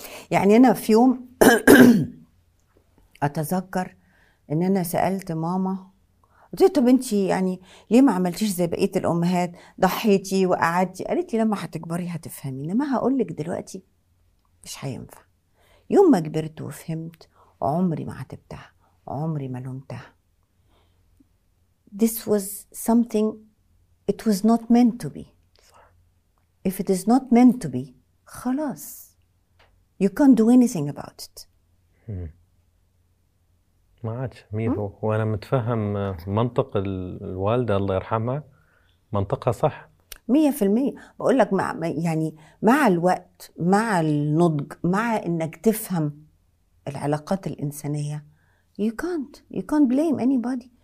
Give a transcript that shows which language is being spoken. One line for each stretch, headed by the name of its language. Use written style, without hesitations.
Arabic: يعني أنا في يوم أتذكر إن أنا سألت ماما، قلت لها طب انت يعني ليه ما عملتيش زي بقيه الامهات، ضحيتي وقعدتي؟ قالت لي لما هتكبري هتفهمي، انما هقول لك دلوقتي مش هينفع. يوم ما كبرت وفهمت، عمري ما عاتبتها، عمري ما لومتها.
English: This was something it was not meant to be. If it is not meant to be,
Arabic: خلاص.
English: You can't do anything about it.
Arabic: ما عادش 100%، وأنا متفهم منطق الوالدة الله يرحمها، منطقها صح 100%. بقول لك مع يعني مع الوقت، مع النضج، مع انك تفهم العلاقات الانسانيه،
English: you can't blame anybody.